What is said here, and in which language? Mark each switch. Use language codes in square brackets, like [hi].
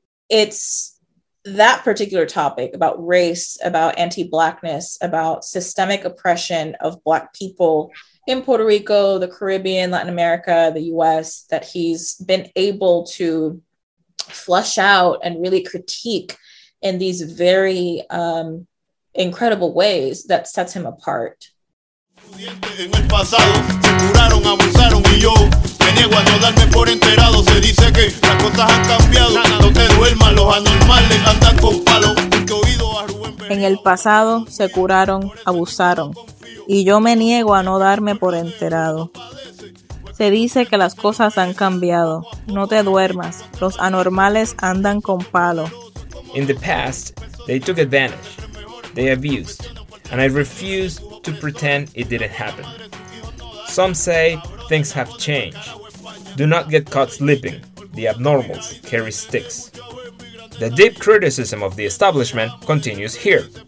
[en] it's that particular topic about race, about anti-Blackness, about systemic oppression of Black people in Puerto Rico, the Caribbean, Latin America, the US, that he's been able to flush out and really critique in these very incredible ways that sets him apart. [es] En el pasado se curaron, abusaron y yo me niego a no darme por enterado. Se dice que las cosas han cambiado. No te duermas, los anormales andan con palo. Porque oído a Rubén. En el pasado se curaron, abusaron y yo me niego a no darme por enterado. Se dice que las cosas han cambiado. No te duermas, los anormales andan con palo. [en] In the past, they took advantage, they abused, and I refused to pretend it didn't happen. Some say things have changed. Do not get caught sleeping. The abnormals carry sticks. The deep criticism of the establishment continues here.